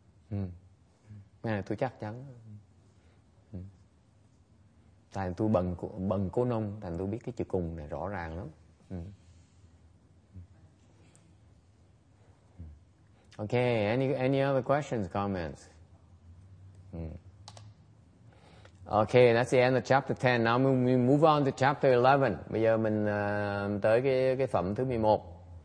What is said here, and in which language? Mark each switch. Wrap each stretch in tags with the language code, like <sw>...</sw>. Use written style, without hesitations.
<vi>Ừ. Ừ. Tôi chắc chắn. Ừ. Tại tôi bần cố nông, tại tôi biết cái chữ cùng này rõ ràng lắm. Ừ.</vi> <en>Okay, any other questions, comments? Okay, that's the end of chapter 10. Now we move on to chapter 11.</en> <vi>Bây giờ mình tới cái phẩm thứ 11.</vi>